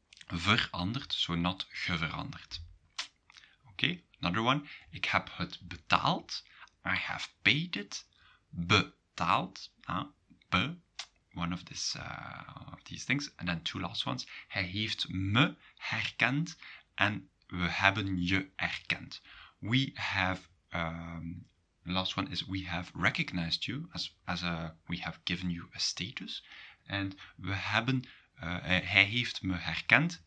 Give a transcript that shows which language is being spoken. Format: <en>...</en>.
<en>Veranderd, so not geveranderd. Okay, another one,</en> <nl>ik heb het betaald.</nl> <en>I have paid it. Betaald, one of these things. And then two last ones,</en> <nl>hij heeft me herkend en we hebben je erkend.</nl> <en>We have, the last one is we have recognized you we have given you a status.</en> <nl>And we hebben, hij heeft me herkend.</nl>